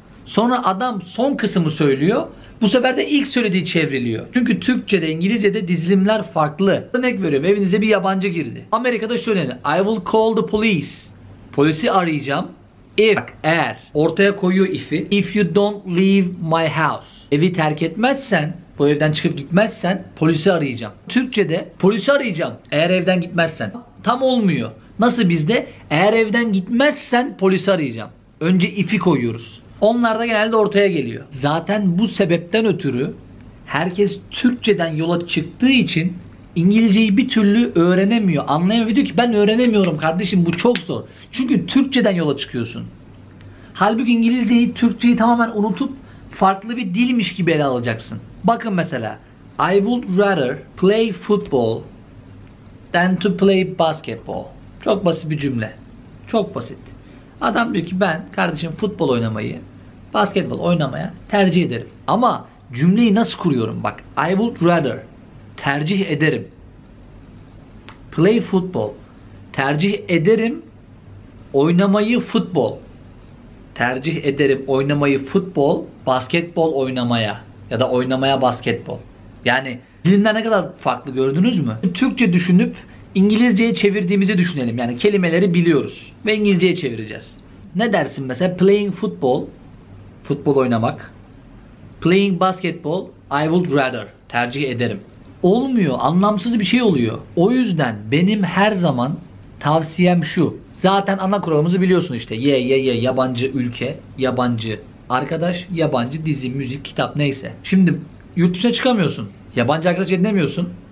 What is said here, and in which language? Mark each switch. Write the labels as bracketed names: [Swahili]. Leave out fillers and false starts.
[Turkish] Sonra adam son kısmı söylüyor. Bu sefer de ilk söylediği çevriliyor. Çünkü Türkçe'de, İngilizce'de dizilimler farklı. Örnek veriyorum, evinize bir yabancı girdi. Amerika'da şöyle dedi. [English] I will call the police. [Turkish] Polisi arayacağım. [English] If, [Turkish] bak, eğer, ortaya koyuyor if'i. [English] If you don't leave my house. [Turkish] Evi terk etmezsen, bu evden çıkıp gitmezsen polisi arayacağım. Türkçe'de polisi arayacağım eğer evden gitmezsen. Tam olmuyor. Nasıl bizde? Eğer evden gitmezsen polisi arayacağım. Önce if'i koyuyoruz. Onlar da genelde ortaya geliyor. Zaten bu sebepten ötürü herkes Türkçeden yola çıktığı için İngilizceyi bir türlü öğrenemiyor. Anlayamıyor. Diyor ki ben öğrenemiyorum kardeşim, bu çok zor. Çünkü Türkçeden yola çıkıyorsun. Halbuki İngilizceyi, Türkçeyi tamamen unutup farklı bir dilmiş gibi ele alacaksın. Bakın mesela [English] I would rather play football than to play basketball. [Turkish] Çok basit bir cümle. Çok basit. Adam diyor ki ben kardeşim futbol oynamayı, basketbol oynamaya tercih ederim. Ama cümleyi nasıl kuruyorum? Bak, [English] I would rather, [Turkish] tercih ederim. [English] Play football, [Turkish] tercih ederim oynamayı futbol. Tercih ederim oynamayı futbol, basketbol oynamaya ya da oynamaya basketbol. Yani dilimler ne kadar farklı, gördünüz mü? Türkçe düşünüp İngilizceye çevirdiğimizi düşünelim. Yani kelimeleri biliyoruz ve İngilizceye çevireceğiz. Ne dersin mesela? [English] Playing football, [Turkish] futbol oynamak. [English] Playing basketball, I would rather, [Turkish] tercih ederim. Olmuyor, anlamsız bir şey oluyor. O yüzden benim her zaman tavsiyem şu. Zaten ana kuralımızı biliyorsun işte. Ye, yabancı ülke, yabancı arkadaş, yabancı dizi, müzik, kitap neyse. Şimdi yurt dışına çıkamıyorsun. Yabancı arkadaş edinemiyorsun.